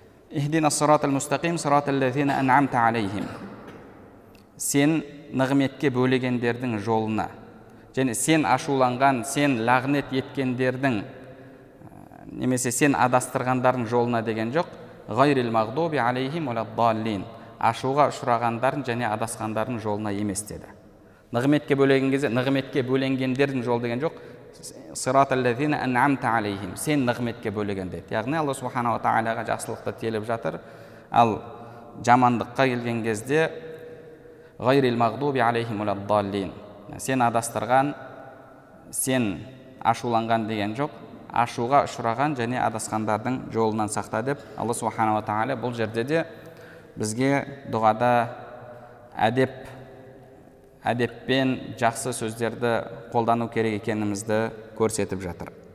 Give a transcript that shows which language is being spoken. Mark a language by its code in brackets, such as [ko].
[ar] Ихдина сиратал мустақим, сиратал лазина анъамта алейхим. [kk] Сен нығметке бөлегендердің жолына, және сен ашуланған, сен лағнет еткендердің, немесе сен адастырғандардың жолына деген жоқ. [ar] Ғайрил мағдуби алейхим валаддаллин. [kk] Ашуға ұшырағандардың және адасқандардың жолына емес деді. Нығметке бөлеген кезде, нығметке бөленгендердің жолы деген жоқ. [ar] Сиратал лазина анъамта алейхим. [kk] Сен нығметке бөлеген деді. Яғни Алла субханаһу ва тааляға жақсылықты тілеп жатыр. Ал жамандыққа келген кезде [ar] ғайрил мағдуби алейхим валаддаллин. [kk] Сен адастырған, сен ашуланған деген жоқ, ашуға ұшыраған және адасқандардың жолынан сақта деп Алла субханаһу ва тааля бұл жерде де бізге дұғада әдеппен жақсы сөздерді қолдану керек екенімізді көрсетіп жатыр.